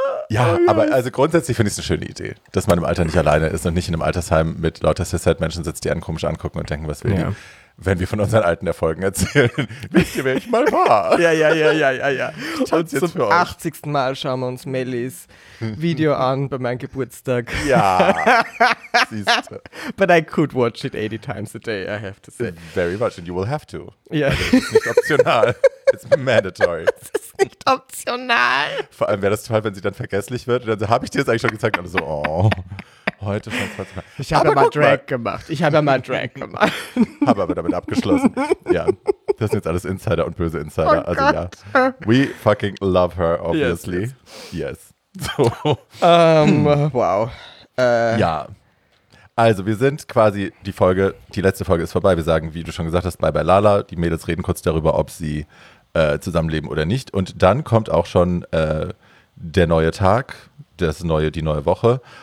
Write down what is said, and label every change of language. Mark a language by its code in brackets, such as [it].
[de] Ja, aber also grundsätzlich finde ich es eine schöne Idee, dass man im Alter nicht alleine ist und nicht in einem Altersheim mit lauter Cis-Head-Menschen sitzt, die einen komisch angucken und denken, was will ja. die, wenn wir von unseren alten Erfolgen erzählen. Wichtig, wer ich mal war. Ja. Und zum 80. Mal schauen wir uns Mellies Video an bei meinem Geburtstag. Ja. [en] But I could watch it 80 times a day, I have to say. Very much, and you will have to. [de] Ja. Yeah. Also, nicht optional. [en] It's mandatory. [de] Es ist nicht optional. Vor allem wäre das toll, wenn sie dann vergesslich wird. Und dann so, habe ich dir das eigentlich schon gezeigt? Und so, oh, heute schon. Ich habe mal Drag gemacht. Habe aber damit abgeschlossen. Ja, das sind jetzt alles Insider und böse Insider. Oh also Gott. Ja. [en] We fucking love her, obviously. Yes. So. Wow. [de] Ja. Also wir sind quasi, die letzte Folge ist vorbei. Wir sagen, wie du schon gesagt hast, bye bye Lala. Die Mädels reden kurz darüber, ob sie zusammenleben oder nicht. Und dann kommt auch schon der neue Tag, die neue Woche.